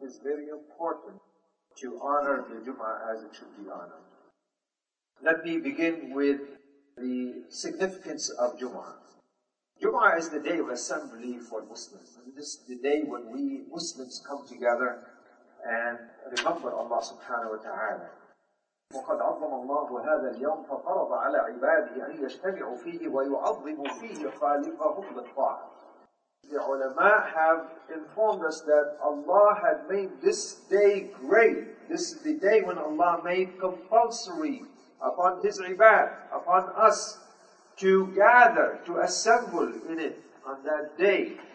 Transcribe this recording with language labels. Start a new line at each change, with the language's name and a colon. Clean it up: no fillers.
English: It is very important to honor the Jum'ah as it should be honored. Let me begin with the significance of Jum'ah. Jum'ah is the day of assembly for Muslims. This is the day when we Muslims come together and remember Allah subhanahu wa ta'ala.
Arabic: وقد عظم الله هذا اليوم ففرض على عباده أن يجتمعوا فيه ويعظموا فيه خالقهم بالطاعة.
English: The ulama have informed us that Allah had made this day great. This is the day when Allah made compulsory upon His ibad, upon us, to gather, to assemble in it on that day.